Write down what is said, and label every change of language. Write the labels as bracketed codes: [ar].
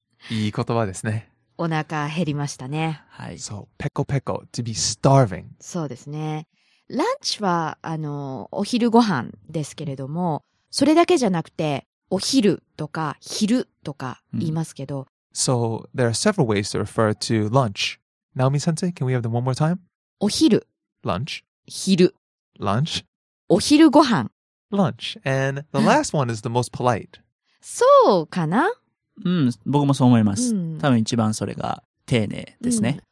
[ja] いい言葉ですね。お腹減りましたね。はい。 [en] So, ペコペコ、 to be starving。 [ja] そうですね。ランチは、お昼ご飯ですけれども、それだけじゃなくて、お昼とか昼とか言いますけど。 Mm-hmm. [en] So, there are several ways to refer to lunch. Naomi sensei, can we have them one more time? [ja] お昼。 [en] Lunch. [ja] 昼。 [en] Lunch. [ja] お昼ご飯。 [en] Lunch. And the last one is the most polite. [ja] そうかな？僕もそう思います。多分一番それが丁寧ですね。